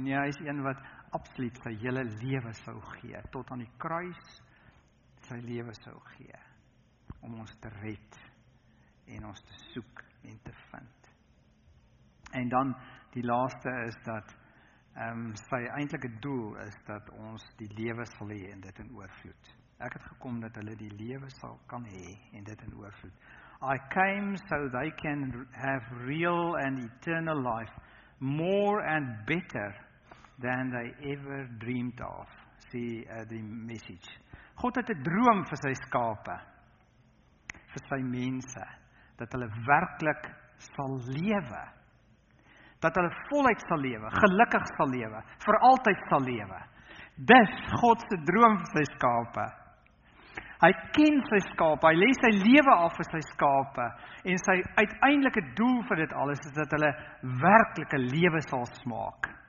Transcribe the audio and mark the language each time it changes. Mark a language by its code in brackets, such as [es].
[af] Nee, hy is een wat absoluut sy hele lewe sou gee, tot aan die kruis sy lewe sou gee, om ons te red en ons te soek en te vind. En dan die laaste is dat sy eintlike doel is dat ons die lewe sal hê en dit in oorvloed. Ek het gekom dat hulle die lewe sal kan hê en dit in oorvloed. [en] I came so they can have real and eternal life, more and better than they ever dreamed of. See the message. [af] God het 'n droom vir sy skape, vir sy mense, dat hulle werklik sal lewe. Dat hulle voluit sal lewe, gelukkig sal lewe, vir altyd sal lewe. Dis God se droom vir sy skape. Hy ken sy skape, hy lê sy lewe af vir sy skape en sy uiteindelike doel vir dit alles is dat hulle werklike lewe sal smaak.